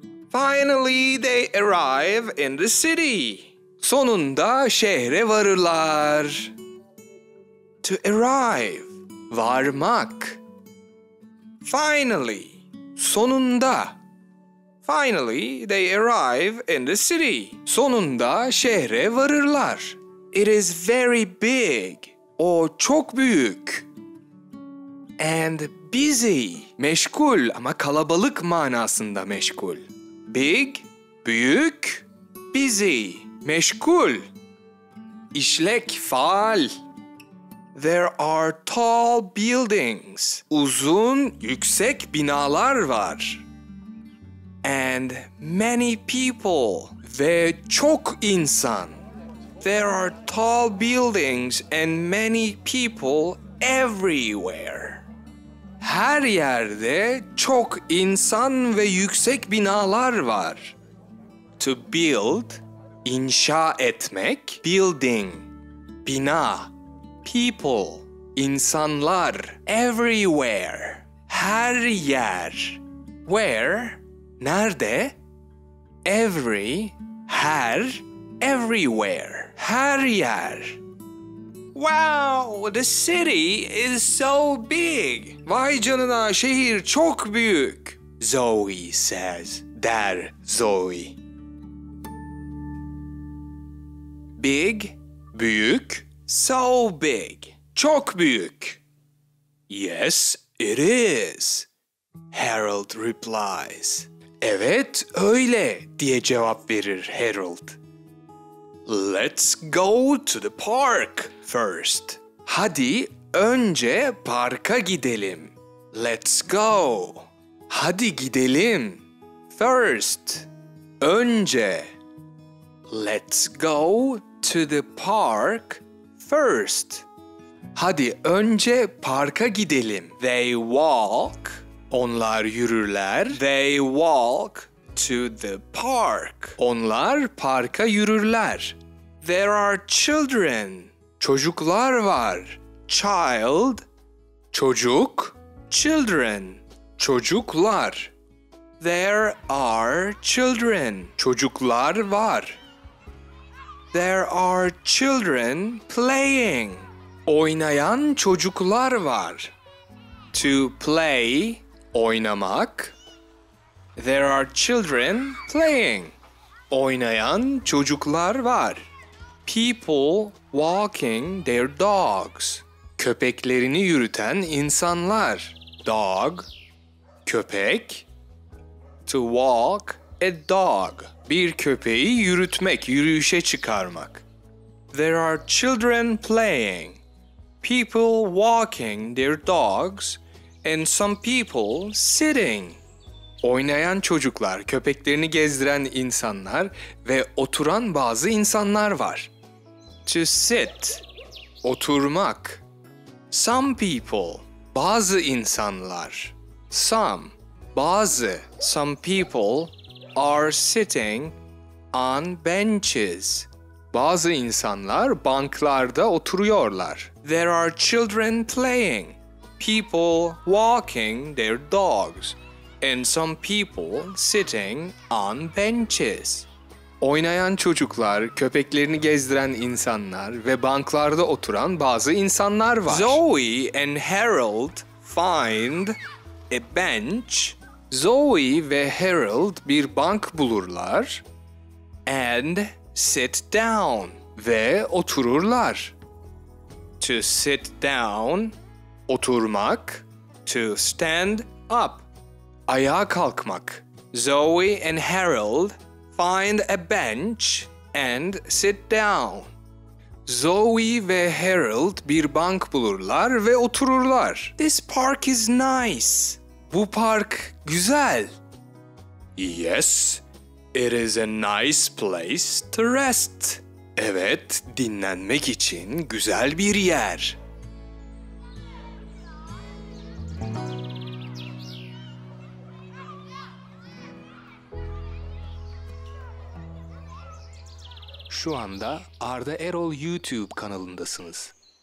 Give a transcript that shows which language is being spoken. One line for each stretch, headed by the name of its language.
English: Finally, they arrive in the city.
Turkish: Sonunda şehre varırlar.
English: To arrive.
Turkish: Varmak.
English: Finally.
Turkish: Sonunda.
English: Finally, they arrive in the city.
Turkish: Sonunda şehre varırlar.
English: It is very big.
Turkish: O çok büyük.
English: And busy.
Turkish: Meşgul ama kalabalık manasında meşgul.
English: Big,
Turkish: büyük,
English: busy,
Turkish: meşgul, işlek, faal.
English: There are tall buildings.
Turkish: Uzun, yüksek binalar var.
English: And many people.
Turkish: Ve çok insan.
English: There are tall buildings and many people everywhere.
Turkish: Her yerde çok insan ve yüksek binalar var.
English: To build,
Turkish: inşa etmek.
English: Building,
Turkish: bina.
English: People,
Turkish: insanlar.
English: Everywhere,
Turkish: her yer.
English: Where,
Turkish: nerede.
English: Every,
Turkish: her.
English: Everywhere,
Turkish: her yer.
English: Wow, the city is so big.
Turkish: Vay canına, şehir çok büyük.
English: Zoe says,
Turkish: der Zoe.
English: Big, büyük, so big,
Turkish: çok büyük.
English: Yes, it is, Harold replies.
Turkish: Evet, öyle, diye cevap verir Harold.
English: Let's go to the park first.
Turkish: Hadi önce parka gidelim.
English: Let's go.
Turkish: Hadi gidelim.
English: First.
Turkish: Önce.
English: Let's go to the park first.
Turkish: Hadi önce parka gidelim.
English: They walk.
Turkish: Onlar yürürler.
English: They walk to the park.
Turkish: Onlar parka yürürler.
English: There are children.
Turkish: Çocuklar var.
English: Child.
Turkish: Çocuk.
English: Children.
Turkish: Çocuklar.
English: There are children.
Turkish: Çocuklar var.
English: There are children playing.
Turkish: Oynayan çocuklar var.
English: To play.
Turkish: Oynamak.
English: There are children playing.
Turkish: Oynayan çocuklar var.
English: People walking their dogs.
Turkish: Köpeklerini yürüten insanlar.
English: Dog.
Turkish: Köpek.
English: To walk a dog.
Turkish: Bir köpeği yürütmek, yürüyüşe çıkarmak.
English: There are children playing. People walking their dogs and some people sitting.
Turkish: Oynayan çocuklar, köpeklerini gezdiren insanlar ve oturan bazı insanlar var.
English: To sit.
Turkish: Oturmak.
English: Some people.
Turkish: Bazı insanlar.
English: Some.
Turkish: Bazı.
English: Some people are sitting on benches.
Turkish: Bazı insanlar banklarda oturuyorlar.
English: There are children playing. People walking their dogs. And some people sitting on benches.
Turkish: Oynayan çocuklar, köpeklerini gezdiren insanlar ve banklarda oturan bazı insanlar var.
English: Zoe and Harold find a bench.
Turkish: Zoe ve Harold bir bank bulurlar.
English: And sit down.
Turkish: Ve otururlar.
English: To sit down.
Turkish: Oturmak.
English: To stand up.
Turkish: Ayağa kalkmak.
English: Zoe and Harold find a bench and sit down.
Turkish: Zoe ve Harold bir bank bulurlar ve otururlar.
English: This park is nice.
Turkish: Bu park güzel.
English: Yes, it is a nice place to rest.
Turkish: Evet, dinlenmek için güzel bir yer. Şu anda Arda Erol YouTube kanalındasınız.